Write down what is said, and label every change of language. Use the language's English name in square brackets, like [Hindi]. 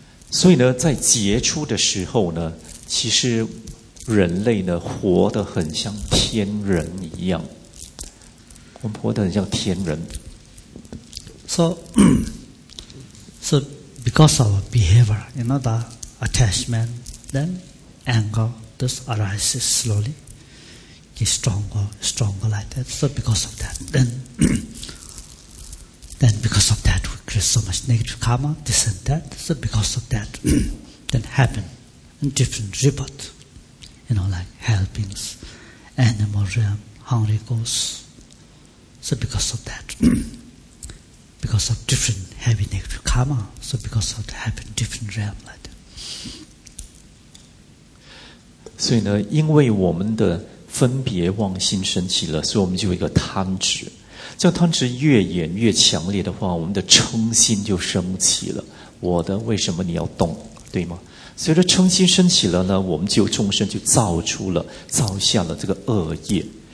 [Chinese] 所以呢，在杰出的时候呢，其实人类呢活得很像天人一样，我们活得很像天人。 [English] So because of our behavior, you know, the attachment, then anger, this arises slowly, get stronger like that. So because of that, then because of that, we create so much negative karma, this and that. So because of that, then happen in different rebirth. You know, like hell beings, animal realm, hungry ghosts. So because of that, because of different heavy negative karma, so because of that happen different realm like that. [Chinese] 所以呢，因为我们的分别妄心升起了，所以我们就有一个贪执。这贪执越演越强烈的话，我们的嗔心就升起了。我的为什么你要动，对吗？随着嗔心升起了呢，我们就众生就造出了造下了这个恶业。